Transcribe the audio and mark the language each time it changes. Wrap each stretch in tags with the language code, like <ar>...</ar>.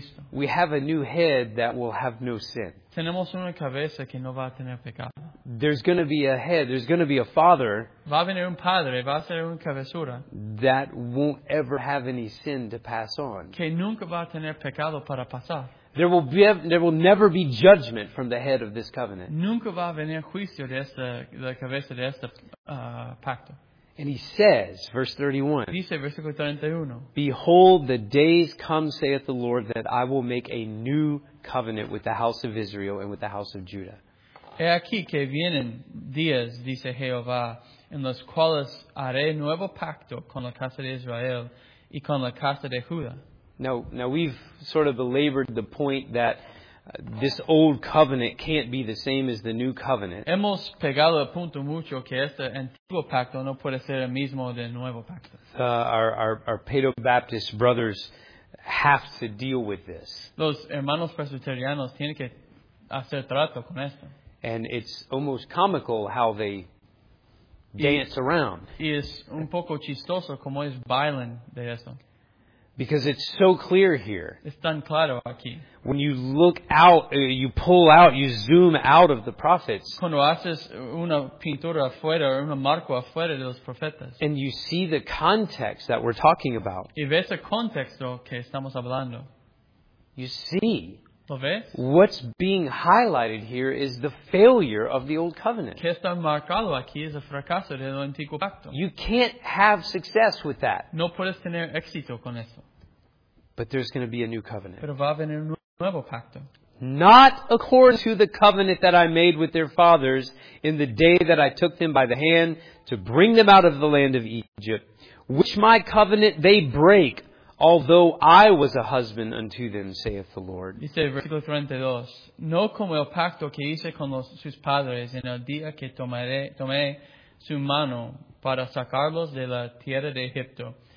<en>We have a new head that will have no sin.</en> <es>Tenemos una cabeza que no va a tener pecado.</es> <en>There's going to be a head. There's going to be a father.</en> <es>Va a venir un padre, va a ser una cabezura.</es> <en>That won't ever have any sin to pass on.</en> <es>Que nunca va a tener pecado para pasar.</es> <en>There will never be judgment from the head of this covenant.</en> <es>Nunca va a venir juicio de esta la cabeza de este pacto.</es> <en>And he says, verse 31,</en> <es>dice, versículo 31,</es> <en>Behold, the days come, saith the Lord, that I will make a new covenant with the house of Israel and with the house of Judah.</en> <es>He aquí que vienen días, dice Jehová, en los cuales haré nuevo pacto con la casa de Israel y con la casa de Judá.</es> <en>Now we've sort of belabored the point that this old covenant can't be the same as the new covenant.</en> <es>Hemos pegado a punto mucho que este antiguo pacto no puede ser el mismo del nuevo pacto.</es> <en>Our Paedo-Baptist brothers have to deal with this.</en> <es>Los hermanos presbiterianos tienen que hacer trato con esto.</es> <en>And it's almost comical how they dance around.</en> <es>Y es un poco chistoso como es bailan de esto.</es> <en>Because it's so clear here.</en> <es>Es tan claro aquí.</es> <en>When you look out, you pull out, you zoom out of the prophets.</en> <es>Cuando haces una pintura afuera, un marco afuera de los profetas.</es> <en>And you see the context that we're talking about.</en> <es>Y ves el contexto que estamos hablando.</es> <en>You see.</en> <es>¿Lo ves?</es> <en>What's being highlighted here is the failure of the old covenant.</en> <es>¿Qué está marcado aquí es el fracaso del antiguo pacto?</es> <en>You can't have success with that.</en> <es>No puedes tener éxito con eso.</es> <en>But there's going to be a new covenant.</en> <es>Pero va a venir un nuevo pacto.</es> <en>Not according to the covenant that I made with their fathers in the day that I took them by the hand to bring them out of the land of Egypt, which my covenant they break. Although I was a husband unto them, saith the Lord.</en> <es>Dice versículo 32. No como el pacto que hice con sus padres en el día que tomé su mano para sacarlos de la tierra de Egipto.</es>